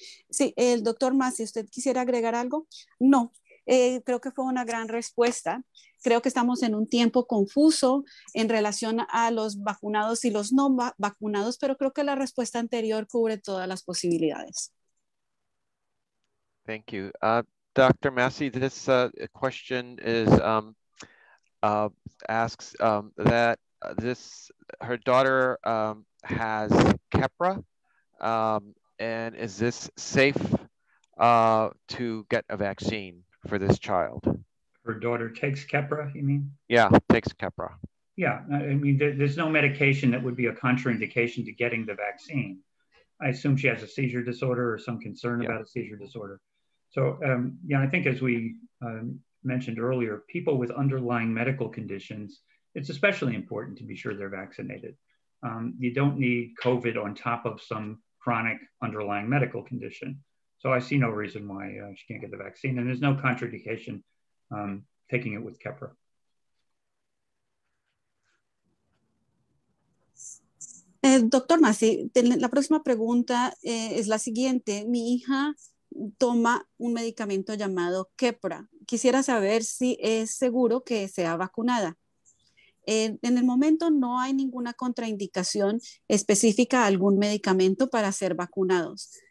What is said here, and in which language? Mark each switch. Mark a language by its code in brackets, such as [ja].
[es] Sí, el doctor Masi, ¿usted quisiera agregar algo? No, creo que fue una gran respuesta. Creo que estamos en un tiempo confuso en relación a los vacunados y los no vacunados, pero creo que la respuesta anterior cubre todas las posibilidades. [en] Thank you. Dr. Massey, this question is asks that this her daughter has Keppra, and is this safe to get a vaccine for this child? Her daughter takes Keppra, you mean? Yeah, takes Keppra. Yeah, I mean, there's no medication that would be a contraindication to getting the vaccine. I assume she has a seizure disorder or some concern about a seizure disorder. So, I think as we mentioned earlier, people with underlying medical conditions, it's especially important to be sure they're vaccinated. You don't need COVID on top of some chronic underlying medical condition. So I see no reason why she can't get the vaccine, and there's no contraindication taking it with Keppra. [es] Doctor Masi, la próxima pregunta es la siguiente. Mi hija toma un medicamento llamado Keppra. Quisiera saber si es seguro que sea vacunada. En el momento no hay ninguna contraindicación específica a algún medicamento para ser vacunados.